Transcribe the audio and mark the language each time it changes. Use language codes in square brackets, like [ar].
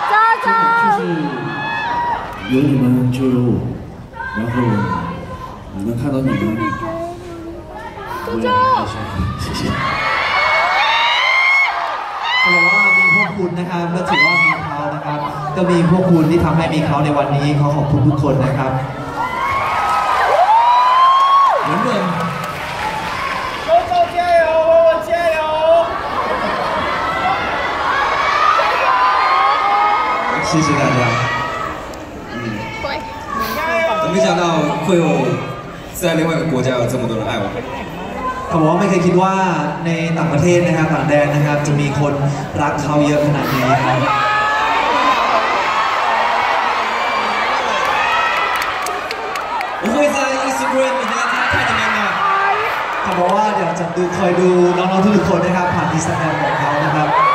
[zh] 有你们就有我，然后我能看到你们，周周，谢谢。 [th] แต่ว่ามีพวกคุณนะครับก็ถือว่ามีเขานะครับก็มีพวกคุณที่ทำให้มีเขาในวันนี้ขอขอบคุณทุกคนนะครับ [zh] 谢谢大家。没想到会有在另外一个国家有这么多人爱我。 [th] ผมว่าไม่เคยคิดว่าในต่างประเทศนะครับต่างแดนนะครับจะมีคนรักเขาเยอะขนาดนี้ครับ ผมจะใน Instagram นะครับแค่ยังไง ผมบอกว่าเดี๋ยวจะดูคอยดูน้องๆทุกคนนะครับผ่าน Instagram ของเขานะครับ